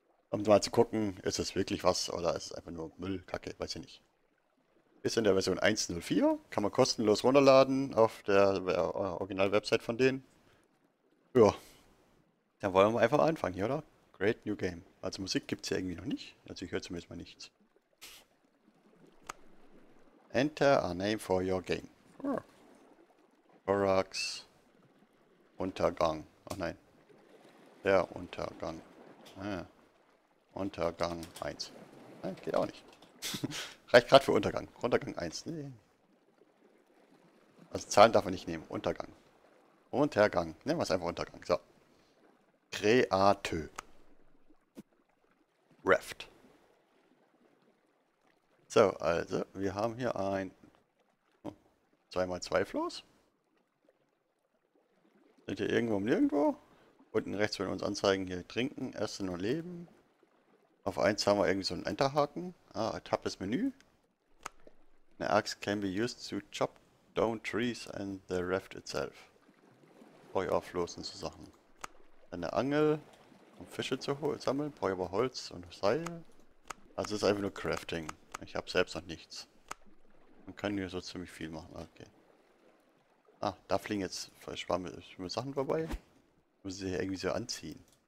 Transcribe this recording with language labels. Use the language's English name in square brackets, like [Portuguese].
[German] Um mal zu gucken, ist es wirklich was oder ist es einfach nur Müllkacke, weiß ich nicht. Ist in der Version 1.04, kann man kostenlos runterladen auf der Original-Website von denen. Ja, dann wollen wir einfach mal anfangen hier, oder? Great New Game. Also Musik gibt es hier irgendwie noch nicht, also ich höre zumindest mal nichts. [English] Enter a name for your game. [German] Oh. Korax Untergang. Ach nein. Der Untergang. Ah. Untergang 1. Nein, geht auch nicht. Reicht gerade für Untergang. Untergang 1. Nee. Also Zahlen darf man nicht nehmen. Untergang. Untergang. Nehmen wir es einfach Untergang. So. Kreatö. [English] Raft. [German] So, also, wir haben hier ein 2x2 Floß. Sind hier irgendwo um nirgendwo? Unten rechts würden uns anzeigen hier trinken, essen und leben. Auf 1 haben wir irgendwie so einen Enterhaken. Ah, tabs Menü. Eine Axt [English] can be used to chop down trees and the raft itself. [German] Brauche ich auch Floß und so Sachen. Eine Angel, um Fische zu holen, sammeln. Brauche ich aber Holz und Seil. Also es ist einfach nur Crafting. Ich habe selbst noch nichts. Man kann hier so ziemlich viel machen. Okay. Ah, da fliegen jetzt schwamme Sachen vorbei. Ich muss sie hier irgendwie so anziehen.